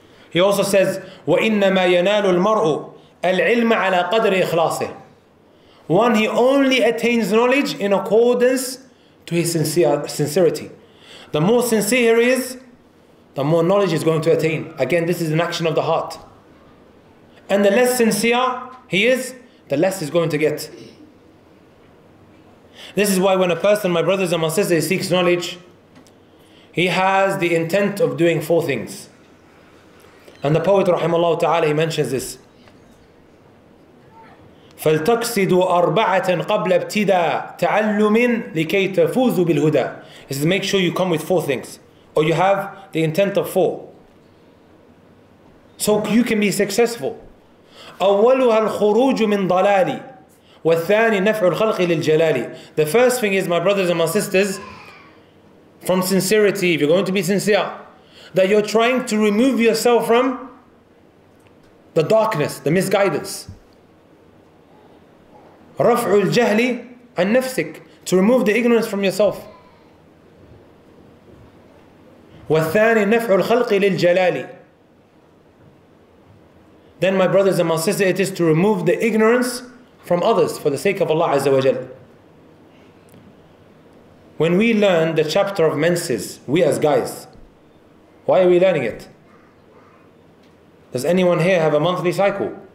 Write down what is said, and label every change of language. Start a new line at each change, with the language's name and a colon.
English: He also says, وَإِنَّمَا يَنَالُ الْمَرْءُ الْعِلْمَ عَلَىٰ قَدْرِ إِخْلَاصِهِ. One, he only attains knowledge in accordance to his sincerity. The more sincere he is, the more knowledge he's going to attain. Again, this is an action of the heart. And the less sincere he is, the less he's going to get. This is why when a person, my brothers and my sisters, seeks knowledge, he has the intent of doing four things. And the poet rahimahullah ta'ala, he mentions this.
Arabic: فَلْتَقْسِدُوا أَرْبَعَةً قَبْلَ ابْتِدَى تَعَلُّمٍ لِكَيْ تَفُوزُوا بِالْهُدَى.
English: He says, make sure you come with four things, or you have the intent of four, so you can be successful.
Arabic: أولها الخروج من ضلالي والثاني نفع الخلق للجلالي.
English: The first thing is, my brothers and my sisters, from sincerity, if you're going to be sincere, that you're trying to remove yourself from the darkness, the misguidance. رفع الجهل عن نفسك, to remove the ignorance from yourself.
Arabic: والثاني نفع الخلق للجلالي.
English: Then my brothers and my sisters, it is to remove the ignorance from others for the sake of Allah Azza wa Jal. When we learn the chapter of menses, we as guys, why are we learning it? Does anyone here have a monthly cycle?